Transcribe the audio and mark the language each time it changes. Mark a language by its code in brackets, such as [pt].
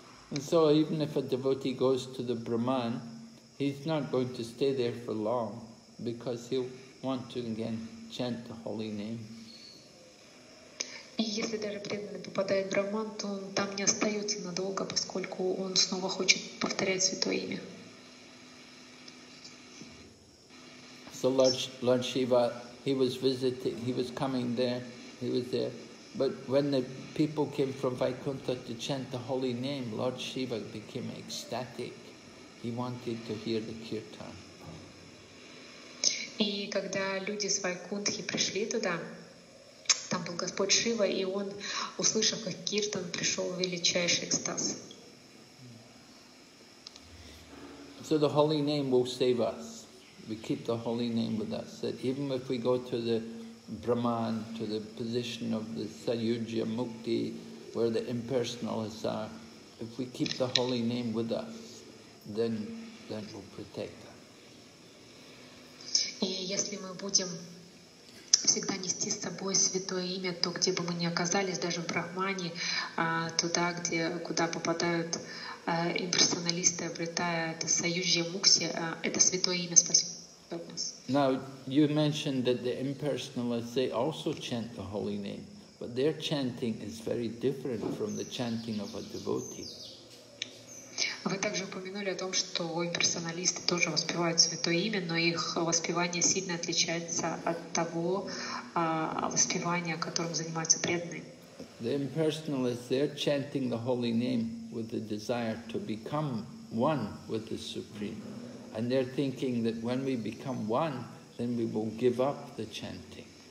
[en] And so even if a devotee goes to the Brahman, he's not going to stay there for long, because he'll want to again chant the holy name. [ru] И если даже преданный попадает в Брахман, то он там не остается надолго, поскольку он снова хочет повторять святое имя. [en] So Lord Shiva, he was visiting, he was coming there, he was there. But when the people came from Vaikuntha to chant the holy name, Lord Shiva became ecstatic. He wanted to hear the kirtan. [ru] И когда люди с Вайкунтхи пришли туда, там был Господь Шива, и он, услышав как киртан, пришел в величайший экстаз. [en] So the holy name will save us. We keep the holy name with us. That even if we go to the Brahman, to the position of the Sayujya Mukti, where the impersonalists are, if we keep the holy name with us, then that will protect us. [ru] И если мы будем всегда нести с собой святое имя, то, где бы мы ни оказались, даже в Брахмане, туда, где, куда попадают имперсоналисты, обретая это союзье Мукси, это святое имя. Спасибо. [en] Now, you mentioned that the impersonalists, they also chant the holy name, but their chanting is very different from the chanting of a devotee. [ru] Вы также упомянули о том, что имперсоналисты тоже воспевают святое имя, но их воспевание сильно отличается от того воспевания, которым занимаются преданные. [en] The impersonalists, they're chanting the holy name with the desire to become one with the Supreme. And they're thinking that when we become one, then we will give up the chanting.